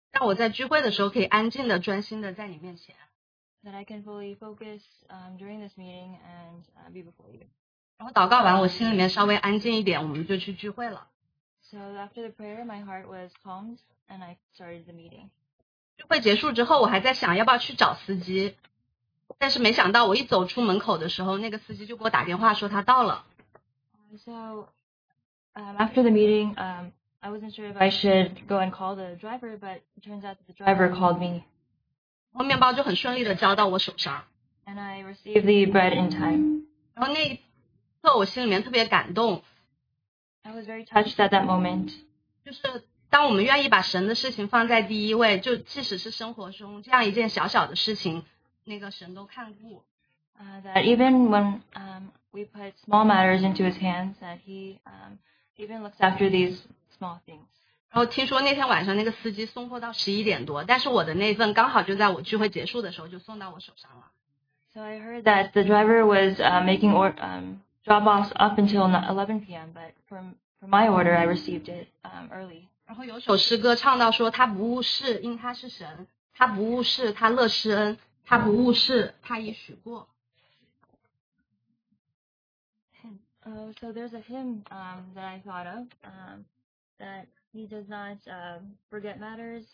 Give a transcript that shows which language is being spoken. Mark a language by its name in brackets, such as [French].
[Chinese] 让我在聚会的时候可以安静的专心的在你面前。 [English] That I can fully focus during this meeting and be before you. [Chinese] 然后祷告完，我心里面稍微安静一点，我们就去聚会了。 [English] So after the prayer, my heart was calmed and I started the meeting. [Chinese] 聚会结束之后，我还在想要不要去找司机，但是没想到我一走出门口的时候，那个司机就给我打电话说他到了。 [English] So. After the meeting, I wasn't sure if I should go and call the driver, but it turns out that the driver called me. [Chinese] 然后面包就很顺利地交到我手上。 [English] And I received the bread in time. [Chinese] 然后那一刻我心里面特别感动。 [English] I was very touched at that moment. [Chinese] 就是当我们愿意把神的事情放在第一位，就即使是生活中这样一件小小的事情，那个神都看顾。 [English] That even when we put small matters into his hands, that he even looks after these small things. [Chinese] 然后听说那天晚上那个司机送货到十一点多，但是我的那份刚好就在我聚会结束的时候就送到我手上了。 [English] So I heard that the driver was making drop-offs up until 11 p.m., but for my order, I received it early. [Chinese] 然后有首诗歌唱到说，他不误事，因他是神；他不误事，他乐施恩；他不误事，他已许过。 [English] So there's a hymn that I thought of that he does not forget matters.